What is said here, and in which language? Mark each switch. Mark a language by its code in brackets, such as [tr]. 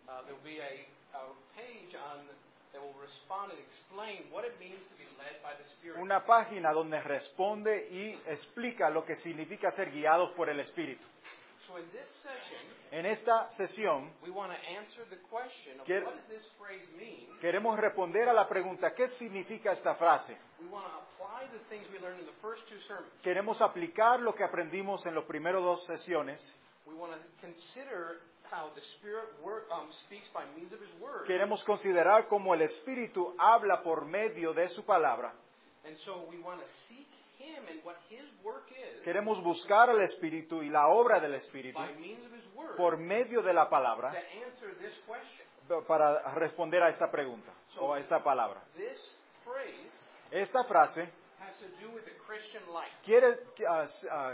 [en] There'll be a page on that will respond and explain what it means to be led by the Spirit. [es] Una página donde responde y explica lo que significa ser guiados por el Espíritu. [en] So in this session, [es] en esta sesión, [en] we want to answer the question of what does this phrase mean? [es] Queremos responder a la pregunta, ¿qué significa esta frase? [en] We want to apply the things we learned in the first two sermons. [es] Queremos aplicar lo que aprendimos en los primeros dos sesiones. [en] We want to consider how the Spirit speaks by means of His Word. [es] Queremos considerar cómo el Espíritu habla por medio de su palabra. [en] And so we want to seek Him and what His work is. [es] Queremos buscar al Espíritu y la obra del Espíritu [en] by means of His Word, [es] por medio de la palabra, [en] to answer this question. [es] Para responder a esta pregunta, [en] so, [es] o a esta palabra. [en] This phrase, [es] esta frase, [en] has to do with the Christian life.